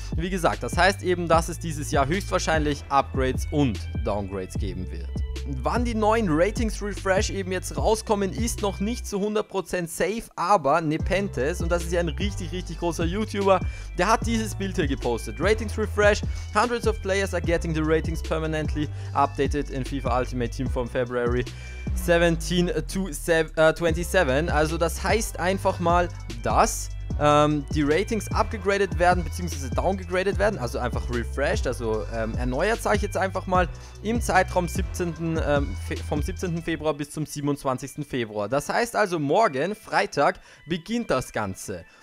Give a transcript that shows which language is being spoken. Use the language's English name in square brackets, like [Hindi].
[German] Wie gesagt, das heißt eben, dass es dieses Jahr höchstwahrscheinlich Upgrades und Downgrades geben wird. Wann die neuen Ratings Refresh eben jetzt rauskommen, ist noch nicht zu 100% safe, aber Nepenthes, und das ist ja ein richtig, richtig großer YouTuber, der hat dieses Bild hier gepostet. [English] Ratings Refresh, hundreds of players are getting the ratings permanently updated in FIFA Ultimate Team from February 17 to 27. [German] Also das heißt einfach mal, dass die Ratings upgegradet werden bzw. downgegradet werden, also einfach refreshed, also erneuert, sage ich jetzt einfach mal, im Zeitraum vom 17. Februar bis zum 27. Februar. Das heißt also, morgen, Freitag, beginnt das Ganze.